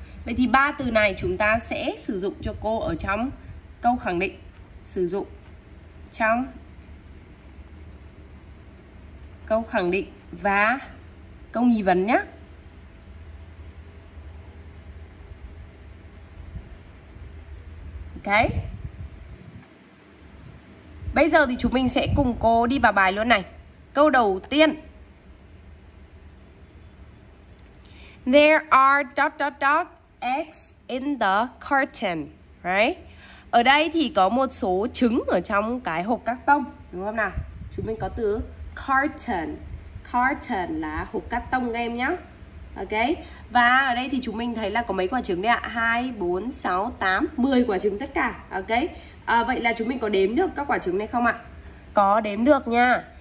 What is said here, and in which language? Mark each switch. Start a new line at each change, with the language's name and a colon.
Vietnamese: Vậy thì ba từ này chúng ta sẽ sử dụng cho cô ở trong câu khẳng định, sử dụng trong câu khẳng định và câu nghi vấn nhé. Ok, bây giờ thì chúng mình sẽ cùng cô đi vào bài luôn này. Câu đầu tiên,
English: there are dot dot dot eggs in the carton, right?
Vietnamese: Ở đây thì có một số trứng ở trong cái hộp các tông, đúng không nào? Chúng mình có từ carton. Carton là hộp cắt tông các em nhé. Ok, và ở đây thì chúng mình thấy là có mấy quả trứng đấy ạ? 2, 4, 6, 8, 10 quả trứng tất cả. Ok, vậy là chúng mình có đếm được các quả trứng này không ạ? Có đếm được nha.